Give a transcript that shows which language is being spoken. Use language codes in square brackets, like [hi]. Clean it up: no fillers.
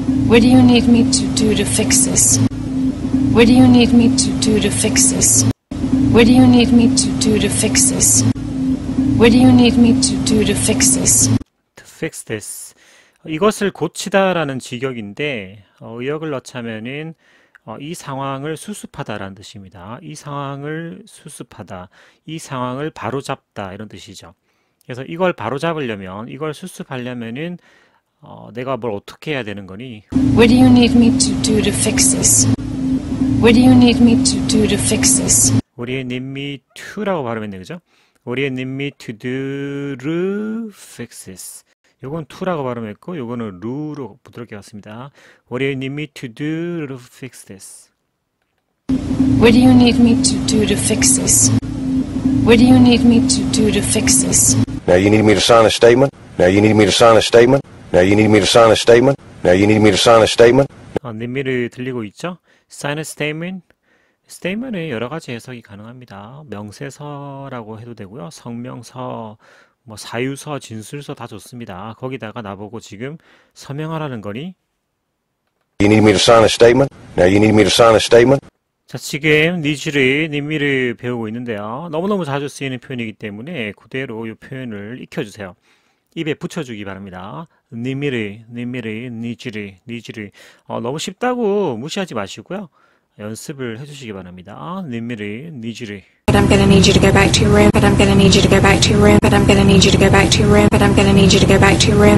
[en] What do you need me to do to fix this? What do you need me to do to fix this? What do you need me to do to fix this? What do you need me to do to fix this? To fix this. [ko] 이것을 고치다라는 직역인데 의역을 넣자면은 이 상황을 수습하다라는 뜻입니다. 이 상황을 수습하다, 이 상황을 바로잡다 이런 뜻이죠. 그래서 이걸 바로잡으려면, 이걸 수습하려면은 내가 뭘 어떻게 해야 되는 거니? [en] What do you need me to do to fix this? What do you need me to do to fix this? What do you need me to라고 [ko] 발음했네, 그죠? [en] What do you need me to do to fix this? [ko] 요건 to라고 발음했고 요거는 루로 부드럽게 왔습니다. [en] What do you need me to do to fix this? What do you need me to do to fix this? What do you need me to do to fix this? Now you need me to sign a statement. Now you need me to sign a statement. Now you need me to sign a statement. Now you need me to sign a statement. [ko] 님 미를 들리고 있죠? [en] Sign a statement. [ko] Statement은 여러 가지 해석이 가능합니다. 명세서라고 해도 되고요. 성명서, 뭐 사유서, 진술서 다 좋습니다. 거기다가 나보고 지금 서명하라는 거니? [en] You need me to sign a statement? Now you need me to sign a statement? [ko] 자, 지금 니즈리, 니미를 배우고 있는데요. 너무너무 자주 쓰이는 표현이기 때문에 그대로 이 표현을 익혀주세요. 입에 붙여주기 바랍니다. 니미를, 니미를, 니즈리, 니즈리. 너무 쉽다고 무시하지 마시고요. 연습을 해주시기 바랍니다. 니미를, 니즈리. [en] But I'm gonna need you to go back to your room. But I'm gonna need you to go back to your room. But I'm gonna need you to go back to your room. But I'm gonna need you to go back to your room.